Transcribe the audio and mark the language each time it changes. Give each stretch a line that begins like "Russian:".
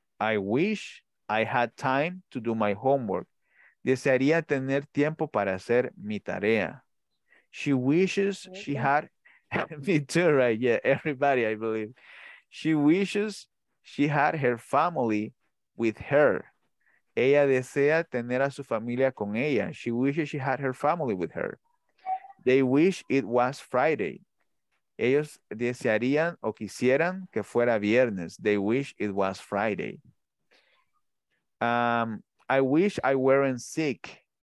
English: I wish I had time to do my homework.
Spanish: Desearía tener tiempo para hacer mi tarea.
English: She wishes she had, me too, right? Yeah, everybody, I believe. She wishes she had her family with her.
Spanish: Ella desea tener a su familia con ella.
English: She wishes she had her family with her. They wish it was Friday.
Spanish: Ellos desearían o quisieran que fuera viernes.
English: They wish it was Friday. I wish I weren't sick.